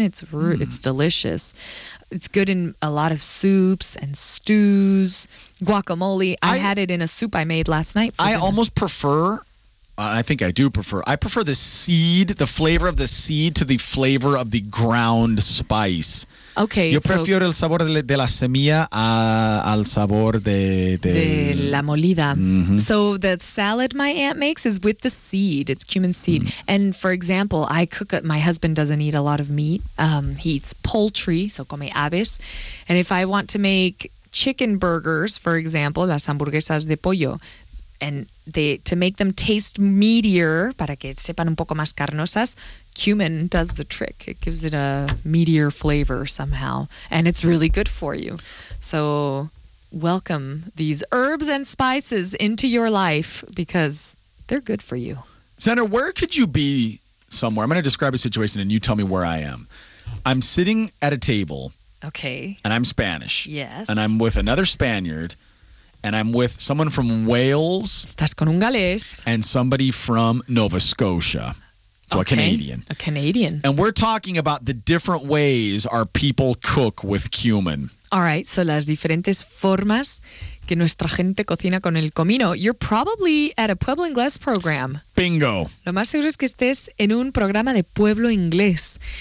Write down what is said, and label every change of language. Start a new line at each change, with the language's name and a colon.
English: It's delicious. It's good in a lot of soups and stews, guacamole. I had it in a soup I made last night. I prefer the seed, the flavor of the seed to the flavor of the ground spice. Okay.
Spanish: Yo prefiero el sabor de la semilla al sabor de la molida. Mm-hmm.
English: So the salad my aunt makes is with the seed. It's cumin seed. Mm. And for example, my husband doesn't eat a lot of meat. He eats poultry, so
Spanish: come aves.
English: And if I want to make chicken burgers, for example,
Spanish: las hamburguesas de pollo,
English: and to make them taste meatier,
Spanish: para que sepan un poco más carnosas,
English: cumin does the trick. It gives it a meatier flavor somehow, and it's really good for you. So welcome these herbs and spices into your life because they're good for you. Senator, where could you be somewhere? I'm going to describe a situation and you tell me where I am. I'm sitting at a table. Okay. And I'm Spanish. Yes. And I'm with another Spaniard. And I'm with someone from Wales.
Spanish: Estás con un galés.
English: And somebody from Nova Scotia. So okay. A Canadian. And we're talking about the different ways our people cook with cumin. All right.
Spanish: So las diferentes formas que nuestra gente cocina con el comino.
English: You're probably at a Pueblo Inglés program. Bingo.
Spanish: Lo más seguro es que estés en un programa de Pueblo Inglés.